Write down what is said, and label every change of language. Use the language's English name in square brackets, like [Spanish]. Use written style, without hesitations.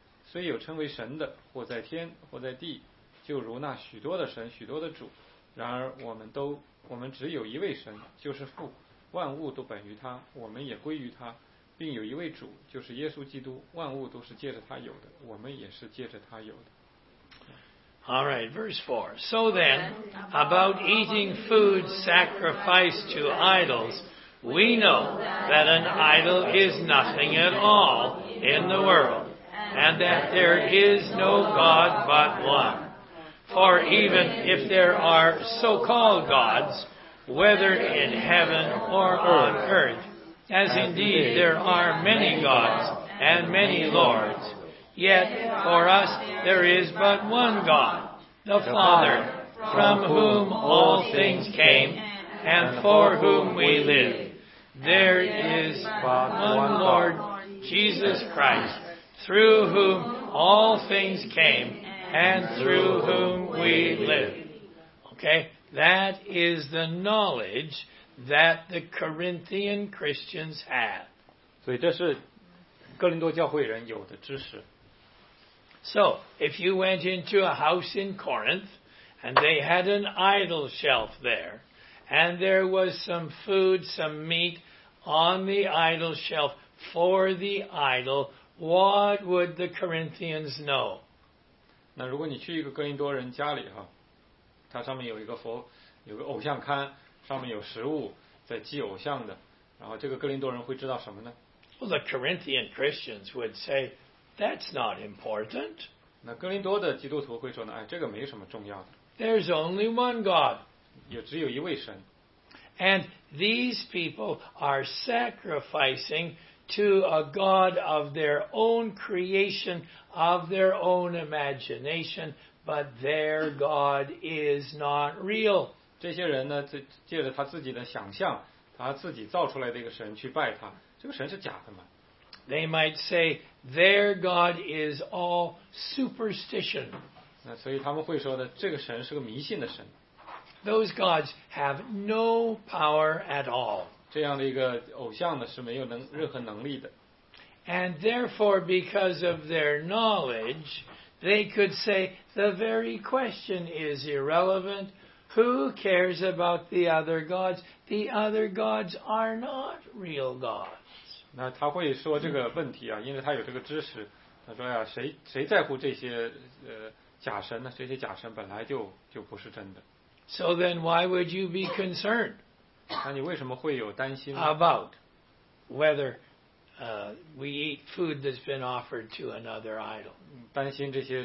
[Chinese] 虽有称为神的，或在天，或在地。就如那许多的神许多的主然而我们只有一位神就是父万物都本于他我们也归于他并有一位主就是耶稣基督万物都是借着他有的我们也是借着他有的 [English] All right, verse 4 So then, about eating food sacrificed to idols we know that an idol is nothing at all in the world and that there is no God but one For even if there are so-called gods, whether in heaven or on earth, as indeed there are many gods and many lords, Yet for us there is but one God, the Father, from whom all things came and for whom we live. There is but one Lord, Jesus Christ, through whom all things came and through whom we live. Okay? That is the knowledge that the Corinthian Christians had. [Chinese] 所以这是哥林多教会人有的知识。 [English] So, if you went into a house in Corinth, and they had an idol shelf there, and there was some food, some meat on the idol shelf for the idol, what would the Corinthians know? [Chinese] 那如果你去一个哥林多人家里哈, 它上面有一个偶像龛, 上面有食物在祭偶像的, 然后这个哥林多人会知道什么呢? [English] Well, the Corinthian Christians would say, that's not important. [Chinese] 那哥林多的基督徒会说呢, 哎, 这个没什么重要的。 [English] There's only one God. [Chinese] 也只有一位神。 [English] And these people are sacrificing to a God of their own creation, of their own imagination, but their God is not real. [Chinese] 这些人呢, 借着他自己的想象, 他自己造出来的一个神去拜他, 这个神是假的吗? [English] They might say their God is all superstition. [Chinese] 那所以他们会说的, 这个神是个迷信的神。 [English] Those gods have no power at all. [Chinese] 这样的一个偶像呢是没有任何能力的。 [English] And therefore, because of their knowledge, they could say the very question is irrelevant. Who cares about the other gods? The other gods are not real gods. [Chinese] 那他会说这个问题啊，因为他有这个知识。他说呀，谁在乎这些假神呢？这些假神本来就不是真的。 [English] So then, why would you be concerned? [Chinese] 那你为什么会有担心呢? [English] About whether we eat food that's been offered to another idol.